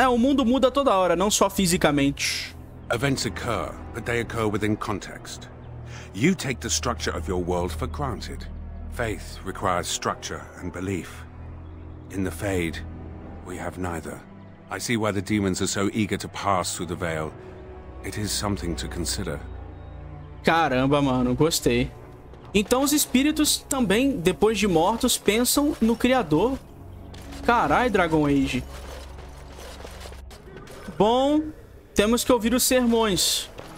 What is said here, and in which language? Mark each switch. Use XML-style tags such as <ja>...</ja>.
<pt>O mundo muda toda hora, não só fisicamente.</pt> <en>Events occur, but they occur within context. You take the structure of your world for granted. Faith requires structure and belief. In the Fade, we have neither. I see why the demons are so eager to pass through the veil. It is something to consider.</en> <pt>Caramba, mano, gostei. Então os espíritos também, depois de mortos, pensam no Criador. Carai, Dragon Age. Bom, temos que ouvir os sermões.</pt>